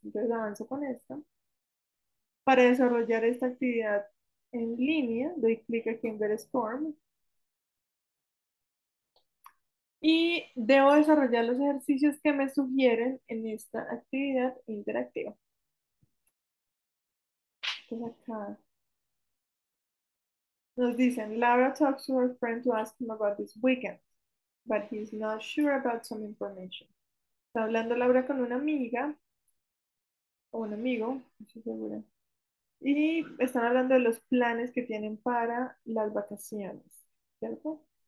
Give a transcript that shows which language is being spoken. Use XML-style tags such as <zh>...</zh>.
<es>Entonces avanzo con esto. Para desarrollar esta actividad en línea, doy clic aquí en Ver Storm. Y debo desarrollar los ejercicios que me sugieren en esta actividad interactiva. Entonces acá nos dicen,</es> <en>Laura talks to her friend to ask him about this weekend, but he's not sure about some information.</en> <es>Está hablando Laura con una amiga o un amigo, no estoy segura. Y están hablando de los planes que tienen para las vacaciones, ¿cierto?</es>